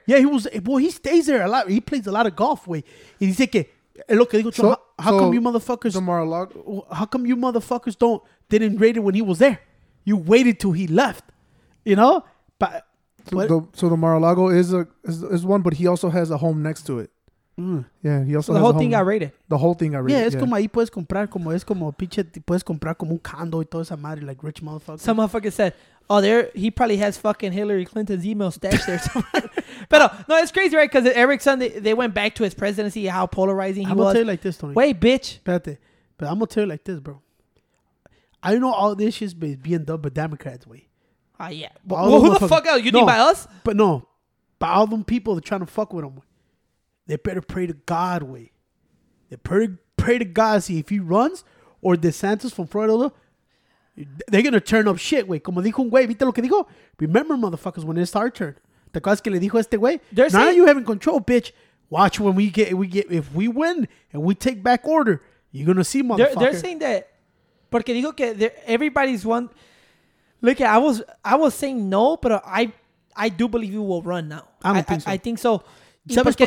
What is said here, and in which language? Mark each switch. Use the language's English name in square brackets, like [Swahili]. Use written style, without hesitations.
[English] Yeah, he was. Well, he stays there a lot. He plays a lot of golf, way. [Spanish] Y dice que Es lo que digo, [English] how come you motherfuckers... The Mar-a-Lago. How come you motherfuckers didn't raid it when he was there? You waited till he left. You know? But... So the Mar-a-Lago is one, but he also has a home next to it. Mm. Yeah, he also has the whole thing got raided. The whole thing got raided. [Spanish] Yeah, como ahí puedes comprar como es como pinche puedes comprar como un condo y toda esa madre, [English] like rich motherfucker. Some motherfucker said, oh, there he probably has fucking Hillary Clinton's email stashed there somewhere. But no, it's crazy, right? Because Erickson, they went back to his presidency, how polarizing he was. I'm gonna tell you like this, Tony. Wait, bitch. [Spanish] Espérate. [English] But I'm gonna tell you like this, bro. I know all this shit's being done by Democrats, wait. Yeah. Well, who the fuck else? You think by us? But no. By all them people that are trying to fuck with him. They better pray to God, way. They pray to God, see if he runs or DeSantis from Florida. They're going to turn up shit, way. [Spanish] Como dijo un güey, ¿viste lo que dijo? [English] Remember, motherfuckers, when it's our turn. [Spanish] ¿Te acuerdas que le dijo a este güey? [English] Now you having control, bitch. Watch when we get, if we win and we take back order, you're going to see, motherfucker. They're saying that, [Spanish] porque dijo que [English] everybody's one. Look, I was saying no, but I do believe you will run now. I don't think so. I think so.